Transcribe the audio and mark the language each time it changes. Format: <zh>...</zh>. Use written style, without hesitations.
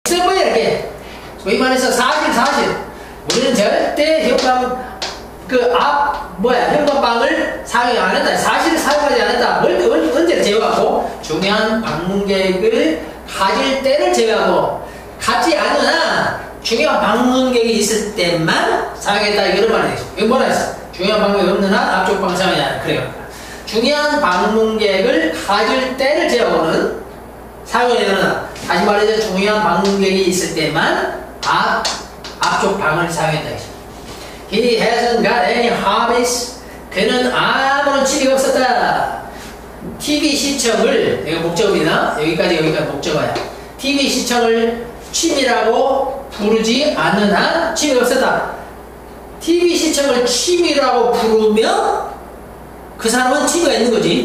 <ko>이렇게 소위 말해서 사실 사실 우리는 절대 현관 그 앞 뭐야 현관방을 사용 안 했다 사실을 사용하지 않았다 언제 제외하고 중요한 방문객을 가질 때를 제외하고 가지 않으나 중요한 방문객이 있을 때만 사용했다 이런 말이죠. 이거 뭐라 했어? 중요한 방문객이 없는 한 앞쪽 방사용이 아니라 그래요. 중요한 방문객을 가질 때를 제외하고는 사용했으나 다시 말해서 중요한 방문객이 있을 때만 앞쪽 방을 사용했다.</ko> <en>He hasn't got any hobbies.</en> <ko>그는 아무런 취미가 없었다. TV 시청을 이거 목적이나 여기까지 목적어야. TV 시청을 취미라고 부르지 않는 한 취미가 없었다. TV 시청을 취미라고 부르면 그 사람은 취미가 있는 거지.</ko>